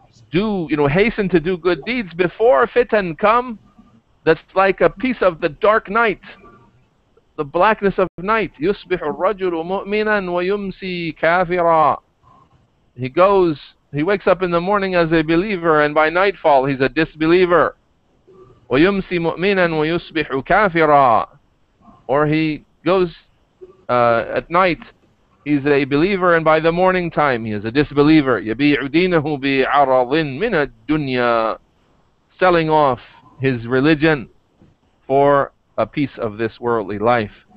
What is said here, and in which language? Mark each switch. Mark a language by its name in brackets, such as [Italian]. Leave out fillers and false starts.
[English] Do, you know, hasten to do good deeds before fitan come. That's like a piece of the dark night, the blackness of night. [Arabic] يُصْبِحُ الرَّجُلُ مُؤْمِنًا وَيُمْسِي كَافِرًا. [English] He wakes up in the morning as a believer, and by nightfall he's a disbeliever. [Arabic] وَيُمْسِي مُؤْمِنًا وَيُصْبِحُ كَافِرًا. [English] Or he goes at night he's a believer, and by the morning time he is a disbeliever. [Arabic] يَبِيعُ دِينَهُ بِعَرَضٍ مِنَ الدُّنْيَا, [English] selling off his religion for a piece of this worldly life.